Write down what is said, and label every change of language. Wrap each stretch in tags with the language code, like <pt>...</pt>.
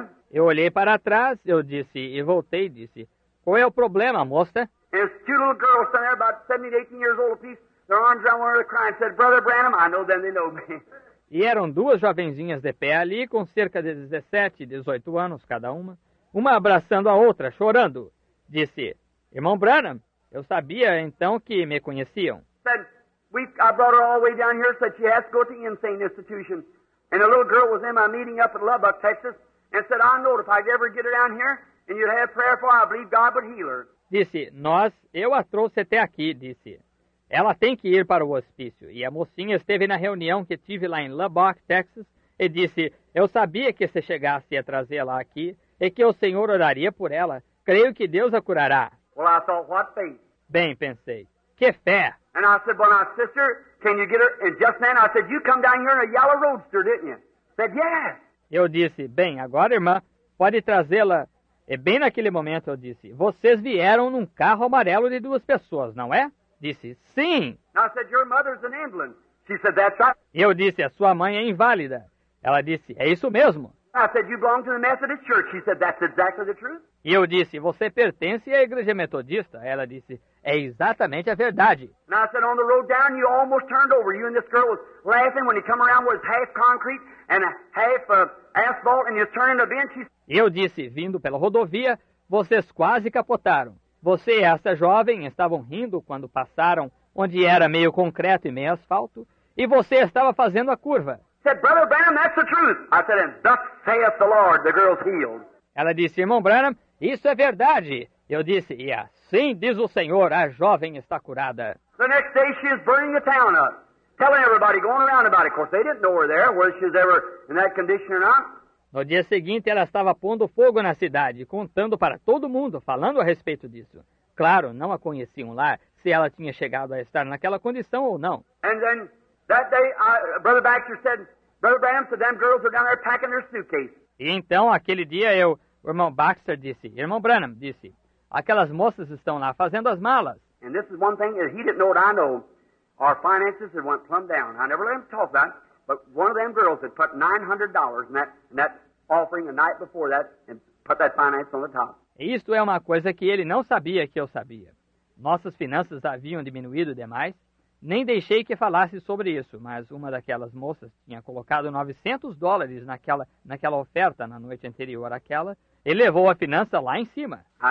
<pt>Eu olhei para trás, eu disse, e voltei e disse, qual é o problema, moça?</pt> <en>There's two little girls standing there, about 17, 18 years old apiece. Their arms around one of the crying, said, Brother Branham, I know them, they know me.</en> <pt>E eram duas jovenzinhas de pé ali, com cerca de 17, 18 anos cada uma. Uma abraçando a outra, chorando. Disse, irmão Branham, eu sabia então que me conheciam.</pt> <en>Said, I brought her all the way down here, said she has to go to the insane institution. And a little girl was in my meeting up in Lubbock, Texas, and said, I know if I'd ever get her down here, and you'd have prayer for her, I believe God would heal her.</en> <pt>Disse, nós, eu a trouxe até aqui, disse. Ela tem que ir para o hospício. E a mocinha esteve na reunião que tive lá em Lubbock, Texas, e disse, eu sabia que se chegasse a trazê-la aqui, e que o Senhor oraria por ela. Creio que Deus a curará.</pt> <en>Well, I thought, what faith?</en> <pt>Bem, pensei, que fé!</pt> <en>And I said, well, now, sister, can you get her? And just then, I said, you come down here in a yellow roadster, didn't you? Said, yes.</en> <pt>Eu disse, bem, agora, irmã, pode trazê-la. E bem naquele momento eu disse, vocês vieram num carro amarelo de duas pessoas, não é? Disse, sim.</pt> <en>Now, I said, your mother's an invalid. She said, that's right.</en> <pt>Eu disse, a sua mãe é inválida. Ela disse, é isso mesmo.</pt> <en>I said, you belong to the Methodist Church. She said, that's exactly the truth.</en> <pt>E eu disse, você pertence à igreja metodista? Ela disse, é exatamente a verdade.</pt> <en>Now, I said, on the road down, you almost turned over. You and this girl was laughing when you come around with half concrete and half asphalt and you turn in a bench.</en> <pt>E eu disse, vindo pela rodovia, vocês quase capotaram. Você e essa jovem estavam rindo quando passaram onde era meio concreto e meio asfalto e você estava fazendo a curva.</pt> <en>Said, Brother Branham, that's the truth. I said, and thus saith the Lord, the girl's healed.</en> <pt>Ela disse, irmão Branham, isso é verdade. Eu disse, e assim diz o Senhor, a jovem está curada.</pt> <en>The next day she is burning the town up, telling everybody, going around about it. Of course, they didn't know her there, whether she was ever in that condition or not.</en> <pt>No dia seguinte, ela estava pondo fogo na cidade, contando para todo mundo, falando a respeito disso. Claro, não a conheciam lá, se ela tinha chegado a estar naquela condição ou não.</pt> <en>And then, that day, Brother Baxter said, Brother Branham said, them girls are down there packing their suitcase.</en> <pt>E então, aquele dia, o irmão Baxter disse, irmão Branham disse, aquelas moças estão lá fazendo as malas.</pt> <en>And this is one thing that he didn't know what I know. Our finances had went plumb down. I never let him talk about it, but one of them girls had put $900 in that offering the night before that and put that finance on the top.</en> <pt>Isto é uma coisa que ele não sabia que eu sabia. Nossas finanças haviam diminuído demais. Nem deixei que falasse sobre isso, mas uma daquelas moças tinha colocado $900 naquela oferta na noite anterior àquela e levou a finança lá em cima.</pt>